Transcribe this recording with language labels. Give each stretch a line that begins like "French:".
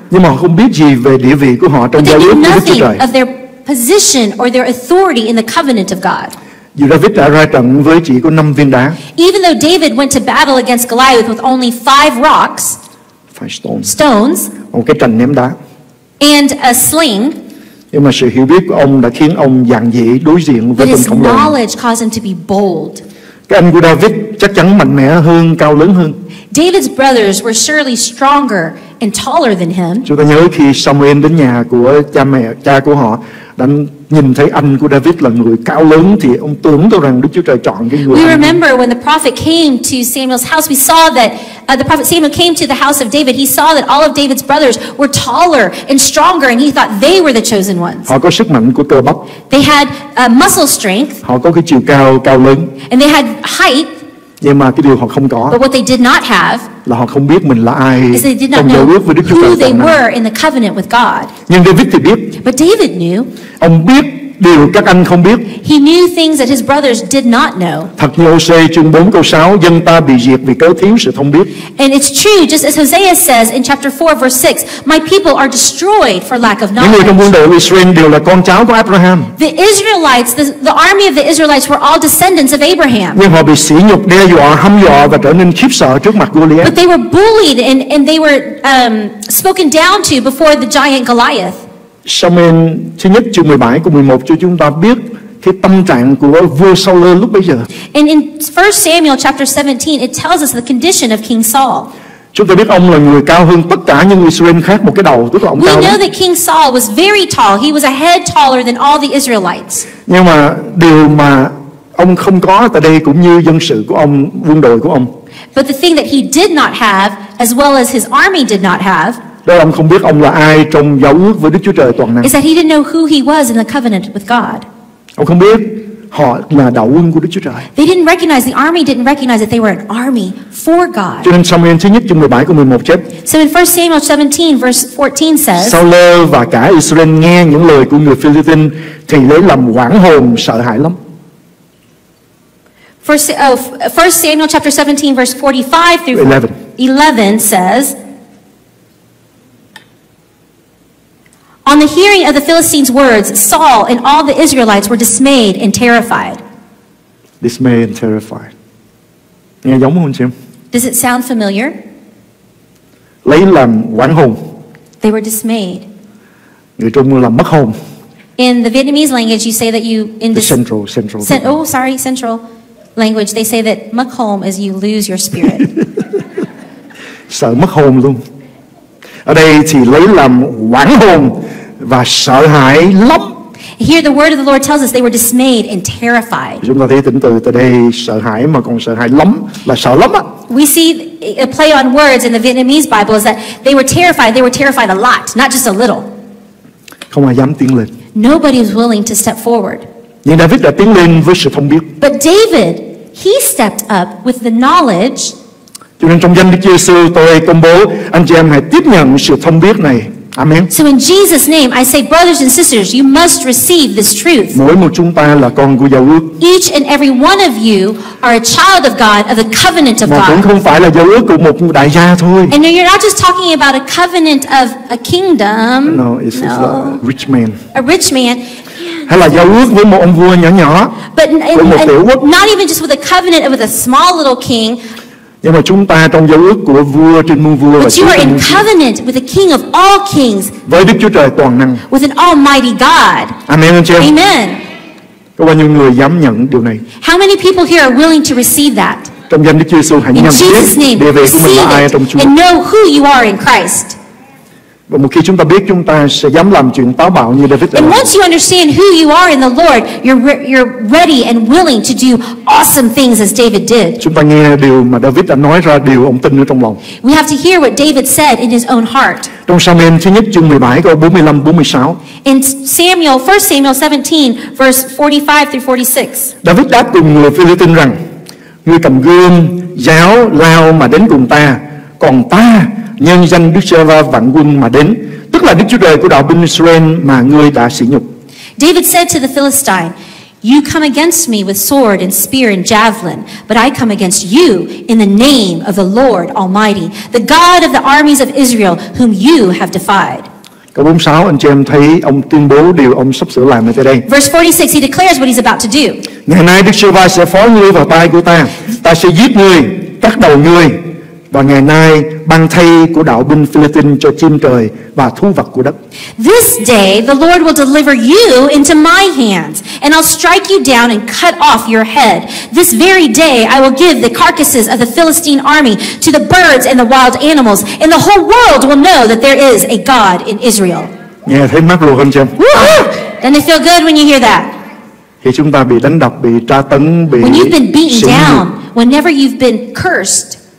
Vietnamese: Nhưng mà họ không biết gì về địa vị của họ trong giao ước của Đức Chúa Trời.
English: Of their position or their authority in the covenant of God.
Vietnamese: Dù David đã ra trận với chỉ có 5 viên đá.
English: Even though David went to battle against Goliath with only 5 rocks. 5 stones. Stones.
Vietnamese: Một cái trận ném đá.
English: And a sling.
Vietnamese: Nhưng mà sự hiểu biết của ông đã khiến ông dạn dĩ đối diện với
English: but
Vietnamese: bình khổng lồ. Cái anh của David chắc chắn mạnh mẽ hơn, cao lớn hơn.
English: David's brothers were surely stronger and taller than him.
Vietnamese: Chúng ta nhớ khi Samuel đến nhà của cha mẹ, cha của họ, đã nhìn thấy anh của David là người cao lớn thì ông tưởng đâu rằng Đức Chúa Trời chọn cái người.
English: We remember when the prophet came to Samuel's house, we saw that the prophet Samuel came to the house of David. He saw that all of David's brothers were taller and stronger, and he thought they were the chosen ones.
Vietnamese: Họ có sức mạnh của cơ bắp.
English: They had muscle strength.
Vietnamese: Họ có cái chiều cao cao lớn.
English: And they had height.
Vietnamese: Nhưng mà cái điều họ không có.
English: But what they did not have.
Vietnamese: Là họ không biết mình là ai trong giao ước với Đức Chúa Trời.
English: Who they were in the covenant with God.
Vietnamese: Nhưng David thì biết.
English: But David knew.
Vietnamese: Ông biết điều các anh không biết.
English: He knew things that his brothers did not know.
Vietnamese: Thật như Hosea chương 4 câu 6, dân ta bị diệt vì cớ thiếu sự thông biết.
English: And it's true, just as Hosea says in chapter 4 verse 6, my people are destroyed for lack of knowledge.
Vietnamese: Những người trong quân đội của Israel đều là con cháu của Abraham.
English: The Israelites, the army of the Israelites were all descendants of Abraham.
Vietnamese: Nhưng họ bị sỉ nhục, đe dọa, hăm dọa và trở nên khiếp sợ trước mặt Goliath.
English: But they were bullied and they were spoken down to before the giant Goliath.
Vietnamese: Sa-mu-ên thứ nhất chương 17 câu 11 cho chúng ta biết cái tâm trạng của vua Saul lúc bây giờ.
English: And in 1 Samuel chapter 17 it tells us the condition of King Saul.
Vietnamese: Chúng ta biết ông là người cao hơn tất cả những người Israel khác một cái đầu, tức là ông
English: we
Vietnamese: cao.
English: We know
Vietnamese: lắm.
English: That King Saul was very tall. He was a head taller than all the Israelites.
Vietnamese: Nhưng mà điều mà ông không có tại đây cũng như dân sự của ông, quân đội của ông.
English: But the thing that he did not have as well as his army did not have.
Vietnamese: Đó là ông không biết ông là ai trong giao ước với Đức Chúa Trời toàn năng.
English: Is that he didn't know who he was in the covenant with God.
Vietnamese: Ông không biết họ là đạo quân của Đức Chúa Trời.
English: They didn't recognize the army didn't recognize that they were an army for God.
Vietnamese: Cho nên Sa-mu-ên thứ nhất chương 17 câu 11 chép.
English: So in 1 Samuel 17 verse 14 says.
Vietnamese: Saul và cả Israel nghe những lời của người Philistine thì lấy làm hoảng hồn sợ hãi lắm.
English: 1 Samuel chapter 17 verse 45 through 11 says. On the hearing of the Philistines' words, Saul and all the Israelites were dismayed and terrified. Dismayed and terrified.
Vietnamese: Nghe giống không chị?
English: Does it sound familiar?
Vietnamese: Lấy làm hoảng hồn.
English: They were dismayed.
Vietnamese: Người Trung là mất hồn.
English: In the Vietnamese language, you say that you in the central. Central language. They say that
Vietnamese: mất hồn
English: is you lose your spirit.
Vietnamese: Sợ mất hồn luôn. Ở đây thì lấy làm hoảng hồn và sợ hãi lắm.
English: Here the word of the Lord tells us they were dismayed and terrified.
Vietnamese: Chúng ta thấy tính từ đây sợ hãi mà còn sợ hãi lắm là sợ lắm á.
English: We see a play on words in the Vietnamese Bible is that they were terrified a lot, not just a little.
Vietnamese: Không ai dám tiến lên.
English: Nobody was willing to step forward.
Vietnamese: Nhưng David đã tiến lên với sự thông biết.
English: But David, he stepped up with the knowledge.
Vietnamese: Cho nên trong danh Đức Giê-xu tôi công bố anh chị em hãy tiếp nhận sự thông biết này.
English: Amen. So in Jesus' name, I say, brothers and sisters, you must receive this truth.
Vietnamese: Mỗi một chúng ta là con của giao ước.
English: Each and every one of you are a child of God, of the covenant of
Vietnamese: mà
English: God.
Vietnamese: Mà cũng không phải là giao ước của một đại gia thôi.
English: And you're not just talking about a covenant of a kingdom. No, it's no. A rich man. A rich man.
Vietnamese: Hay là giao ước với một ông vua nhỏ nhỏ,
English: but,
Vietnamese: với một tiểu quốc.
English: Not even just with a covenant with a small little king.
Vietnamese: Nhưng mà chúng ta trong giao ước của vua trên muôn vua
English: but
Vietnamese: và Chúa trên muôn vua.
English: With the king of all kings,
Vietnamese: với Đức Chúa Trời toàn năng.
English: With an almighty God.
Vietnamese: Amen, anh chị em.
English: Amen.
Vietnamese: Có bao nhiêu người dám nhận điều này?
English: How many people here are willing to receive that?
Vietnamese: Trong danh Đức Chúa Giêsu hãy nhận biết địa vị của mình là ai trong Chúa.
English: And know who you are in Christ.
Vietnamese: Và một khi chúng ta biết chúng ta sẽ dám làm chuyện táo bạo như David.
English: And once you understand who you are in the Lord, you're ready and willing to do awesome things as David did.
Vietnamese: Chúng ta nghe điều mà David đã nói ra, điều ông tin ở trong lòng.
English: We have to hear what David said in his own heart.
Vietnamese: Trong Samuel thứ nhất chương 17 câu 45-46.
English: In Samuel, 1 Samuel 17 verse 45-46.
Vietnamese: David đáp cùng người Philistine rằng: Ngươi cầm gươm, giáo, lao mà đến cùng ta, còn ta nhân danh Đức Giê-hô-va vạn quân mà đến, tức là Đức Chúa Trời của đạo binh Israel mà ngươi đã sỉ nhục.
English: David said to the Philistine, "You come against me with sword and spear and javelin, but I come against you in the name of the Lord Almighty, the God of the armies of Israel, whom you have defied."
Vietnamese: Câu 46, anh chị em thấy ông tuyên bố điều ông sắp sửa làm ở đây.
English: Verse 46, he declares what he's about to do.
Vietnamese: Ngày nay Đức Giê-hô-va sẽ phó ngươi vào tay của ta, ta sẽ giết ngươi, cắt đầu ngươi. Và ngày nay ban thay của đạo binh Philistine cho chim trời và thú vật của đất.
English: This day the Lord will deliver you into my hands, and I'll strike you down and cut off your head. This very day I will give the carcasses of the Philistine army to the birds and the wild animals, and the whole world will know that there is a God in Israel.
Vietnamese: Nghe thấy mắc lừa không chị em?
English: Doesn't it feel good when you hear that?
Vietnamese: Khi chúng ta bị đánh đập, bị tra tấn, bị
English: when you've been beaten down, whenever you've been cursed.